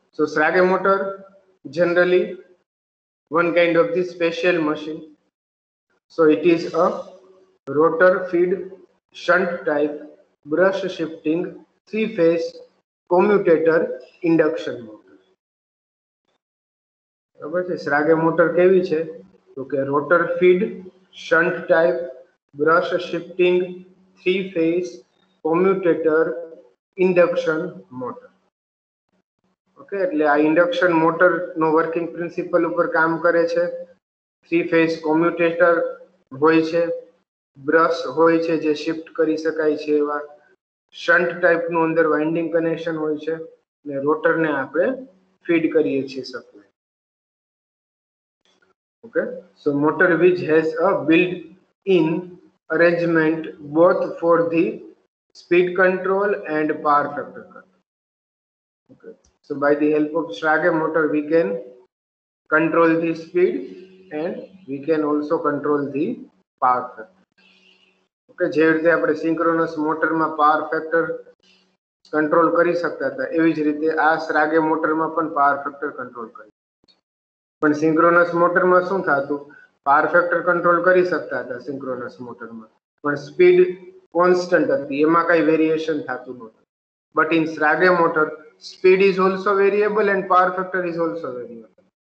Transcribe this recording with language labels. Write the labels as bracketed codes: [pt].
[en] So Schrage motor generally one kind of the special machine. So it is a rotor feed shunt type brush shifting three phase commutator induction motor. [gu] बराबर છે Schrage motor કેવી છે તો કે rotor feed shunt type brush shifting three phase commutator induction motor okay એટલે આ induction motor નો working principal ઉપર કામ કરે છે થ્રી ફેઝ કોમ્યુટેટર હોય છે બ્રશ હોય છે જે શિફ્ટ કરી શકાય છે એવા શન્ટ ટાઈપ નું અંદર વાઇન્ડિંગ કનેક્શન હોય છે અને રોટર ને આપણે ફીડ કરીએ છીએ supply [en] Okay, so motor which has a built-in arrangement both for the speed control and power factor control. Okay, so by the help of Schrage motor, we can control the speed and we can also control the power factor. [gu] Okay, જે રીતે આપણે synchronous મોટરમાં power factor control કરી શકતા હતા એવી જ રીતે આ Schrage મોટરમાં પણ પાવર ફેક્ટર કંટ્રોલ કરી પણ સિંક્રોનસ મોટરમાં શું થતું પાવર ફેક્ટર કંટ્રોલ કરી શકતા હતા સિંક્રોનસ મોટરમાં પણ સ્પીડ કોન્સ્ટન્ટ હતી એમાં કઈ વેરિએશન થતું નહોતું [en] but in Schrage motor speed is also variable [gu] end power factor is also variable